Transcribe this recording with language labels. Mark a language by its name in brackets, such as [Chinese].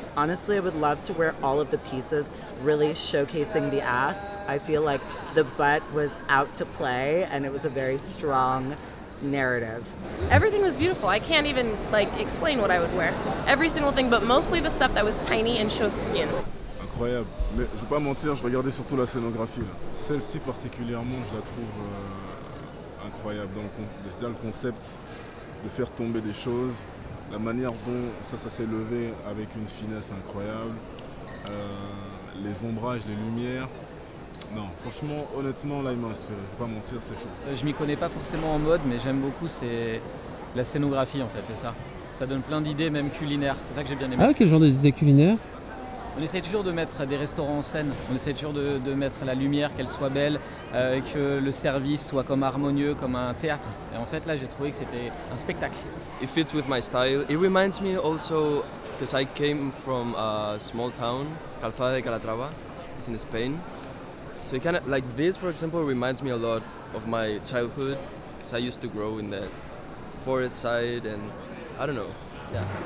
[English] Honestly, I would love to wear all of the pieces, really showcasing the ass. I feel like the butt was out to play and it was a very strong narrative. Everything was beautiful. I can't even like explain what I would wear. Every single thing, but mostly the stuff that was tiny and shows skin. [French] Incroyable. Mais je vais pas mentir, je regardais surtout la scénographie là. Celle-ci particulièrement, je la trouve incroyable dans le concept de faire tomber des choses. La manière dont ça s'est levé avec une finesse incroyable, les ombrages, les lumières. Non, franchement, honnêtement, là, il m'a inspiré. Je ne vais pas mentir, c'est chaud. Je ne m'y connais pas forcément en mode, mais j'aime beaucoup, c'est la scénographie, en fait, c'est ça. Ça donne plein d'idées, même culinaires. C'est ça que j'ai bien aimé. Ah, quel genre d'idées culinaires? On essaie toujours de mettre des restaurants en scène, on essaie toujours de mettre la lumière, qu'elle soit belle, que le service soit comme harmonieux, comme un théâtre. Et en fait, là, j'ai trouvé que c'était un spectacle. [English] It fits with my style. It reminds me also, because I came from a small town, Calzada de Calatrava, it's in Spain. So it kind of, like this, for example, reminds me a lot of my childhood, because I used to grow in the forest side, and I don't know, yeah.